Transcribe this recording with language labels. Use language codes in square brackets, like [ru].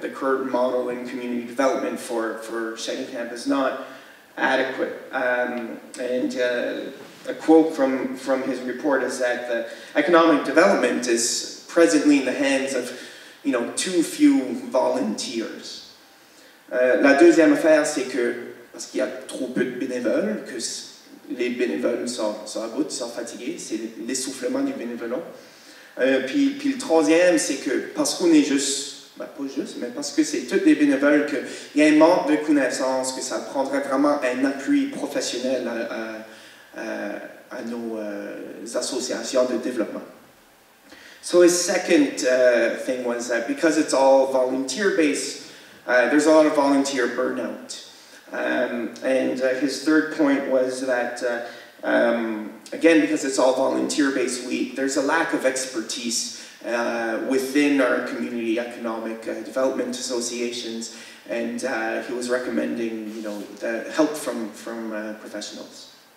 [en] The current model in community development for Chéticamp is not adequate. A quote from his report is that the economic development is presently in the hands of, you know, too few volunteers. [fr] La deuxième affaire, c'est que, parce qu'il y a trop peu de bénévoles, que les bénévoles sont à bout, sont fatigués, c'est l'essoufflement du bénévolat. Puis le troisième, c'est que parce qu'on est juste, ben pas juste, mais parce que c'est tous des bénévoles, qu'il y a un manque de connaissances, que ça prendrait vraiment un appui professionnel à nos associations de développement. [en] So his second thing was that because it's all volunteer-based, there's a lot of volunteer burnout. His third point was that, again, because it's all volunteer-based, there's a lack of expertise within our community economic development associations, and he was recommending, you know, the help from professionals.